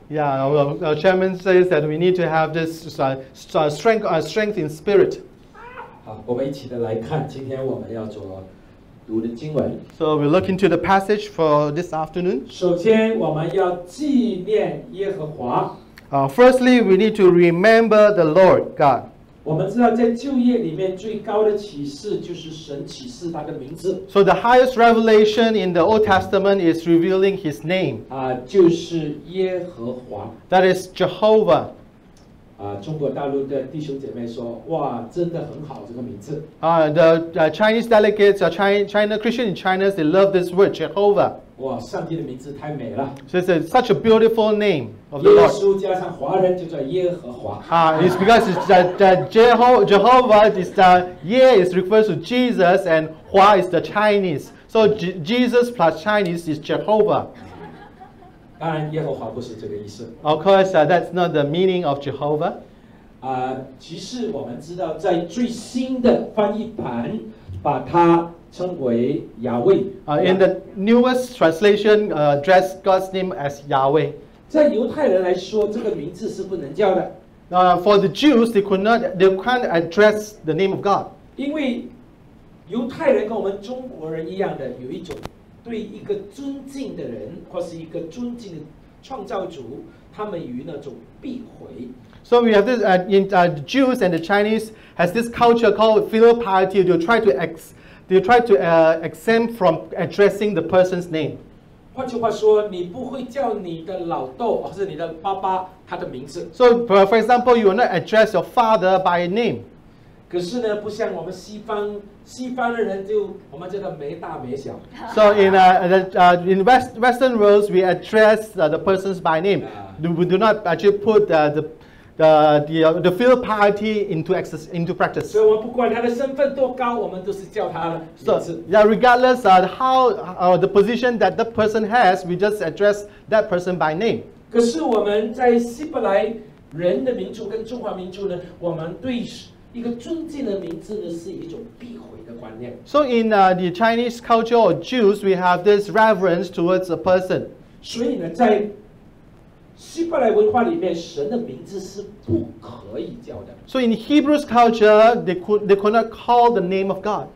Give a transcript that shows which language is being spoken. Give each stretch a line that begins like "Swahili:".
English: Yeah, our chairman says that we need to have this strength in spirit.
Chinese: 好，我们一起的来看今天我们要做读的经文。
English: So we look into the passage for this afternoon.
Chinese: 首先，我们要纪念耶和华。
English: Firstly, we need to remember the Lord God.
Chinese: 我们知道，在旧约里面最高的启示就是神启示他的名字。
English: So the highest revelation in the Old Testament is revealing His name.
Chinese: 就是耶和华。
English: That is Jehovah.
Chinese: 中国大陆的弟兄姐妹说，哇，真的很好，这个名字。
English: Chinese delegates, China Christian in China, they love this word, Jehovah.
Chinese: 哇，上帝的名字太美了。
English: So it's a, such a beautiful name of the Lord.
Chinese: 耶稣加上华人就叫耶和华。
English: It's because it's Jehovah is the Yeh, it refers to Jesus, and Hua is the Chinese. So Jesus plus Chinese is Jehovah.
Chinese: 当然，耶和华不是这个意思。
English: Of course, that's not the meaning of Jehovah.
Chinese: 其实我们知道，在最新的翻译版，把它称为亚伟。
English: In the newest translation, address God's name as Yahweh.
Chinese: 在犹太人来说，这个名字是不能叫的。
English: For the Jews, they can't address the name of God.
Chinese: 因为犹太人跟我们中国人一样的有一种。对一个尊敬的人或是一个尊敬的创造主他们有那种避讳
English: So we have this the Jews and the Chinese has this culture called filial piety they try to exempt from addressing the person's name
Chinese: 换句话说你不会叫你的老豆或是你的爸爸他的名字
English: So for example you will not address your father by name
Chinese: 可是呢不像我们西方的人就我们叫他没大没小。
English: So in Western worlds, we address the persons by name. We do not actually put the filial piety into practice.
Chinese: 所以我们不管他的身份多高，我们都是叫他的名字。
English: So yeah, regardless how the position that the person has, we just address that person by name.
Chinese: 可是我们在希伯来人的民族跟中华民族呢，我们对一个尊敬的名字呢是一种庇护。
English: So in the Chinese culture or Jews, we have this reverence towards a person.
Chinese: 所以呢，在希伯来文化里面，神的名字是不可以叫的。
English: So in Hebrew's culture, they could not call the name of God.